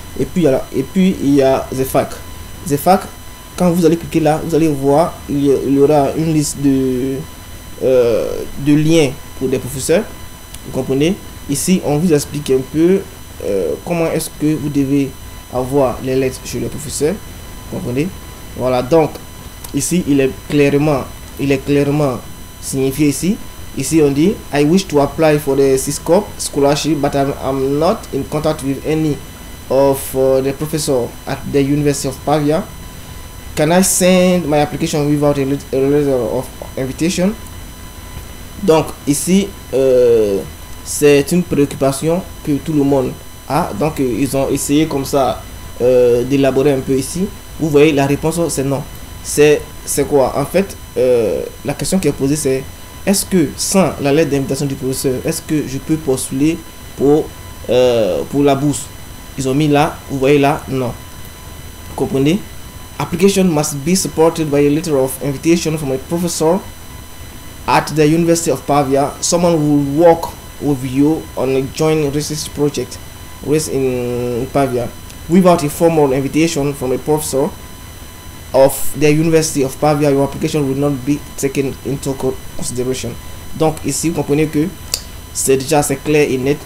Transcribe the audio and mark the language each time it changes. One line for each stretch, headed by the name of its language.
French: Et puis, il y a ZEFAC. ZEFAC, quand vous allez cliquer là, vous allez voir, il y aura une liste de liens pour des professeurs. Vous comprenez? Ici, on vous explique un peu comment est-ce que vous devez avoir les lettres chez les professeurs. Vous comprenez? Voilà, donc, ici, il est clairement signifié ici. Ici, on dit,
English: I wish to apply for the CISCOP scholarship, but I'm not in contact with any of the professors at the University of Pavia. Can I send my application without a letter of invitation?
French: Donc, ici, c'est une préoccupation que tout le monde a. Donc, ils ont essayé comme ça d'élaborer un peu ici. Vous voyez, la réponse, c'est non. C'est quoi? En fait, la question qui est posée, c'est est-ce que sans la lettre d'invitation du professeur, est-ce que je peux postuler pour la bourse? Ils ont mis là, vous voyez là, non. Vous comprenez?
English: Application must be supported by a letter of invitation from a professor at the University of Pavia. Someone will work with you on a joint research project in Pavia. Without a formal invitation from a professor of the University of Pavia, your application will not be taken into consideration.
French: Donc ici, vous comprenez que c'est déjà assez clair et net.